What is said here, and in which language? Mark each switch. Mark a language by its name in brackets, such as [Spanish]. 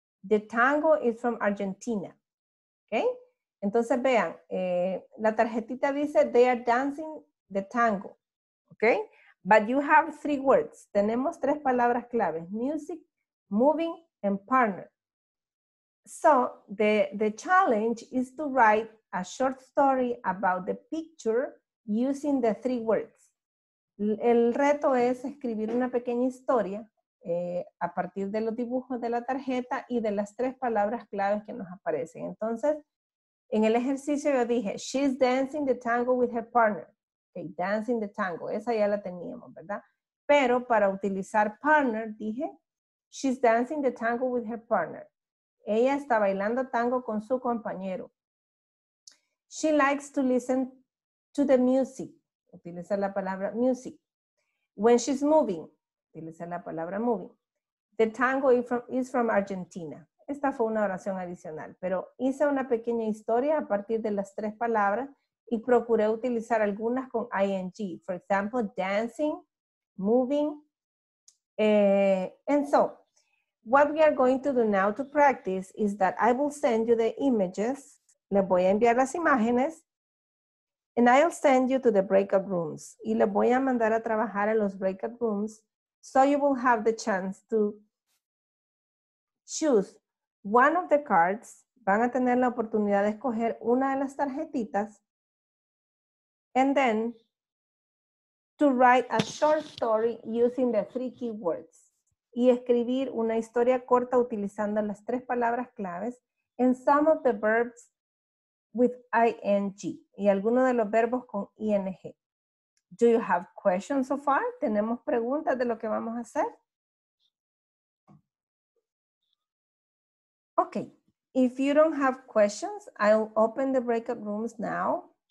[English] The tango is from Argentina, okay? [Spanish] Entonces vean, la tarjetita dice [English] they are dancing the tango, okay? But you have 3 words. [Spanish] Tenemos 3 palabras claves: [English] music, moving, and partner. So the challenge is to write a short story about the picture using the 3 words. [Spanish] El reto es escribir una pequeña historia a partir de los dibujos de la tarjeta y de las 3 palabras claves que nos aparecen. Entonces, en el ejercicio yo dije, [English] she's dancing the tango with her partner. Okay, dancing the tango, [Spanish] esa ya la teníamos, ¿verdad? Pero para utilizar partner, dije, [English] she's dancing the tango with her partner. [Spanish] Ella está bailando tango con su compañero. [English] She likes to listen to the music. [Spanish] Utiliza la palabra music. [English] When she's moving, [Spanish] utiliza la palabra moving. [English] The tango is from Argentina. [Spanish] Esta fue una oración adicional, pero hice una pequeña historia a partir de las 3 palabras y procuré utilizar algunas con ing. [English] For example, dancing, moving, and so. What we are going to do now to practice is that I will send you the images. [Spanish] Le voy a enviar las imágenes. [English] And I'll send you to the breakout rooms. [Spanish] Y le voy a mandar a trabajar en los breakout rooms. [English] So you will have the chance to choose one of the cards. [Spanish] Van a tener la oportunidad de escoger una de las tarjetitas. [English] And then to write a short story using the 3 keywords. [Spanish] Y escribir una historia corta utilizando las 3 palabras claves [English] and some of the verbs with ing [Spanish] y algunos de los verbos con ing. [English] Do you have questions so far? [Spanish] ¿Tenemos preguntas de lo que vamos a hacer? [English] Okay, if you don't have questions, I'll open the breakout rooms now.